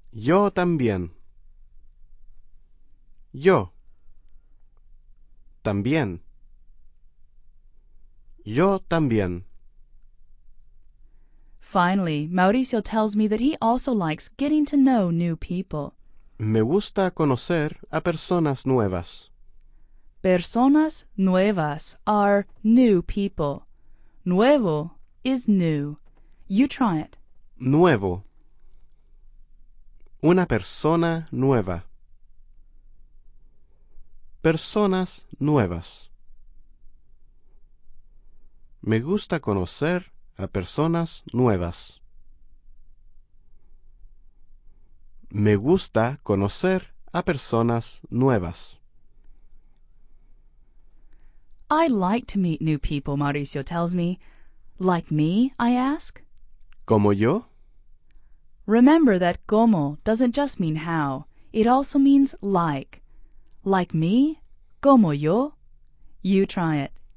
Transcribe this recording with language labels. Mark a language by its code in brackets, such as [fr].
[es] Yo también. Yo. También. Yo también. [en] Finally, Mauricio tells me that he also likes getting to know new people. [es] Me gusta conocer a personas nuevas. Personas nuevas [en] are new people. Nuevo is new. You try it. [es] Nuevo. Una persona nueva. Personas nuevas. Me gusta conocer a personas nuevas. Me gusta conocer a personas nuevas. [en] I like to meet new people, Mauricio tells me. Like me, I ask. [es] ¿Como yo? [en] Remember that como doesn't just mean how. It also means like. Like me? [es] ¿Como yo? [en] You try it.